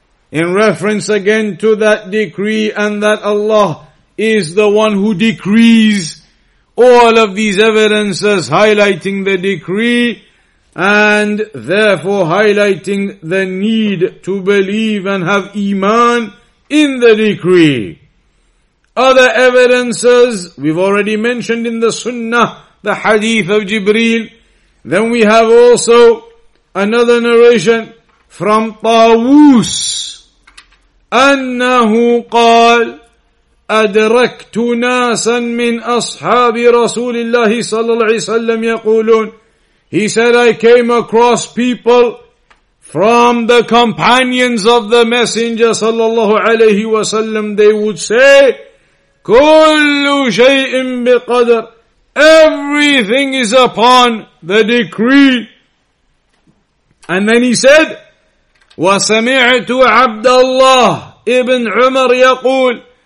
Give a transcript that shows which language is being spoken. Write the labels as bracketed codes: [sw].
[en] In reference again to that decree, and that Allah is the one who decrees all of these evidences, highlighting the decree and therefore highlighting the need to believe and have iman in the decree. Other evidences, we've already mentioned in the sunnah, the hadith of Jibreel. Then we have also another narration from Tawus, [ar] أنه قال أدركت ناسا من أصحاب رسول الله صلى الله عليه وسلم يقولون. [en] He said, I came across people from the companions of the Messenger [ar] صلى الله عليه وسلم. [en] They would say, [ar] كل شيء بقدر. [en] Everything is upon the decree. And then he said, [ar] وسمعت عبد الله ابن عمر يقول.